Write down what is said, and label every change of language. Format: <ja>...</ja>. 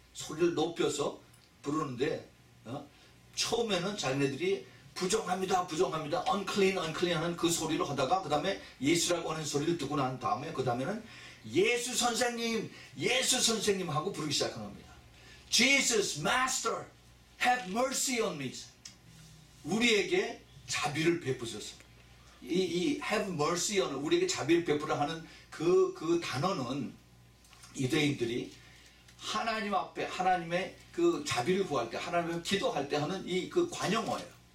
<ko>소리를 높여서 부르는데 처음에는 자기네들이 부정합니다 부정합니다 unclean unclean 하는 그 소리를 하다가 그 다음에 예수라고 하는 소리를 듣고 난 다음에 그 다음에는 예수 선생님 예수 선생님 하고 부르기 시작한 겁니다.</ko> <en>Jesus Master Have mercy on me.</en> <ko>우리에게 자비를 베푸소서. 이 have mercy on 우리에게 자비를 베푸라 하는 그 단어는 유대인들이 하나님 앞에 하나님의 그 자비를 구할 때 하나님 앞에 기도할 때 하는 이 그 관용어예요.</ko>